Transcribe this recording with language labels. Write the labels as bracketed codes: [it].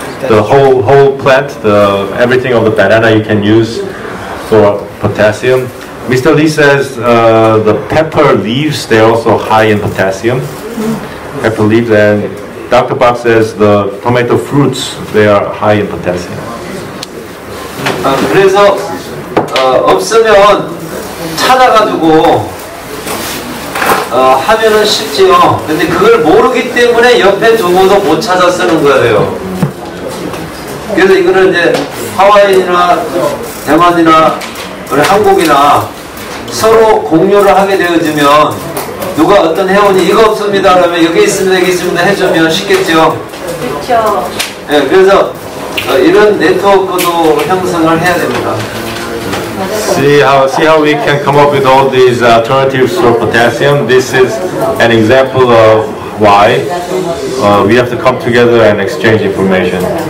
[en] The whole plant, everything of the banana you can use for potassium. Mr. Lee says the pepper leaves, they're also high in potassium. Pepper leaves, and Dr. Park says the tomato fruits, they are high in potassium. [ko] 그래서 없으면 찾아가지고 하면은 쉽지요. 근데 그걸 모르기 때문에 옆에 두고도 못 찾아 쓰는 거예요. 그래서 이거는 이제 하와이나 대만이나 우리 한국이나 서로 공유를 하게 되어지면 누가 어떤 회원이 이거 없습니다 그러면 여기 있습니다 여기 있습니다 해주면 쉽겠죠. 그렇죠. 예, 네, 그래서 이런 네트워크도 형성을 해야 됩니다. [en] See how we can come up with all these alternatives for potassium. This is an example of why we have to come together and exchange information.